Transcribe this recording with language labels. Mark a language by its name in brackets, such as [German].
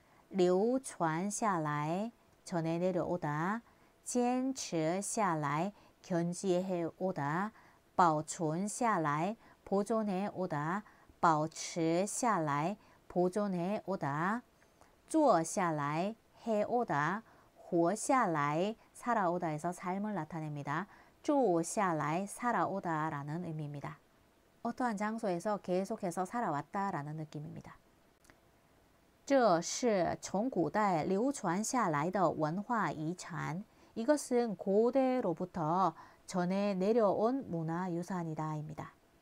[Korean] 流传下来, 전해 내려오다, 坚持下来, 견지해 오다, 保存下来, 보존해 오다, 保持下来, 보존해 오다, 坐下来, 해 오다, 活下来, 살아오다에서 삶을 나타냅니다. 坐下来, 살아오다라는 의미입니다. 어떠한 장소에서 계속해서 살아왔다라는 느낌입니다. [Chinese] 这是从古代流传下来的文化遗产. [Korean] 이것은 고대로부터 전해 내려온 문화유산이다입니다.